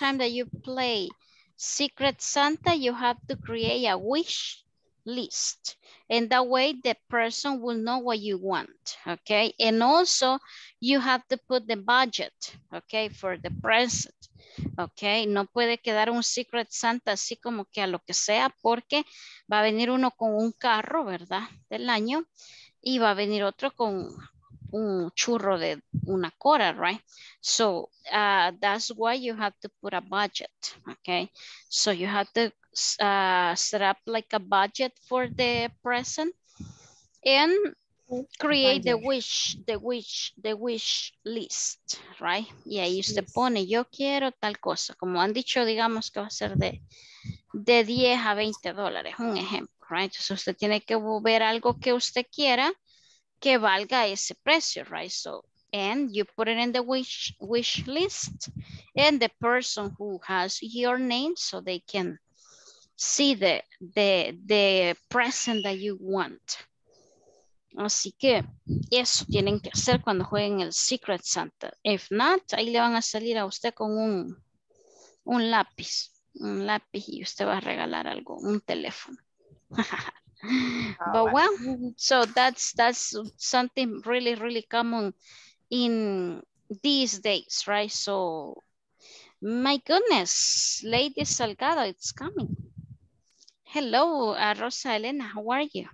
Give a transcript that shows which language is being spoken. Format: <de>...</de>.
<en>Time that you play Secret Santa, you have to create a wish list. And that way the person will know what you want, okay? And also you have to put the budget, okay, for the present.</en> <es>Okay, no puede quedar un Secret Santa así como que a lo que sea, porque va a venir uno con un carro, ¿verdad? Del año, y va a venir otro con un churro de una cora, right?</es> <en>So that's why you have to put a budget, okay? So you have to set up like a budget for the present and create the wish list, right?</en> <es>Y ahí usted pone, yo quiero tal cosa. Como han dicho, digamos que va a ser de 10 a 20 dólares, un ejemplo, right? Entonces usted tiene que ver algo que usted quiera que valga ese precio, right?</es> <en>So, and you put it in the wish list and the person who has your name so they can see the present that you want.</en> <es>Así que eso tienen que hacer cuando jueguen el Secret Santa.</es> <en>If not,</en> <es>ahí le van a salir a usted con un lápiz. Un lápiz y usted va a regalar algo, un teléfono.</es> <en>But well, so that's something really, really common in these days, right? So, my goodness, Lady Salgado, it's coming. Hello, Rosa Elena, how are you?</en>